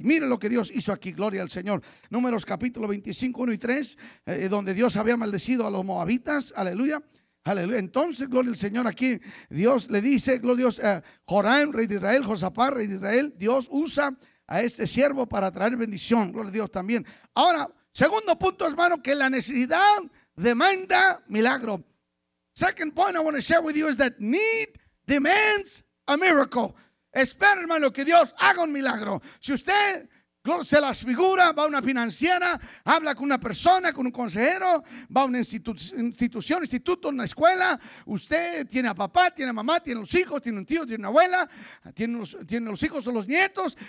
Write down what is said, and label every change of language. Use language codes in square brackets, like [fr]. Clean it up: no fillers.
[es] Mire lo que Dios hizo aquí, gloria al Señor. Números capítulo 25, 1 y 3, donde Dios había maldecido a los moabitas, aleluya. Aleluya. Entonces, gloria al Señor, aquí Dios le dice, gloria a Dios, Joram, rey de Israel, Josafat, rey de Israel, Dios usa a este siervo para traer bendición, gloria a Dios también. Ahora, segundo punto, hermano, que la necesidad demanda milagro. [en] Second point I want to share with you is that need demands a miracle. [es] Espera, hermano, que Dios haga un milagro. Si usted se las figura, va a una financiera, habla con una persona, con un consejero, va a una institución, instituto, una escuela. Usted tiene a papá, tiene a mamá, tiene a los hijos, tiene un tío, tiene una abuela, tiene los hijos o los nietos.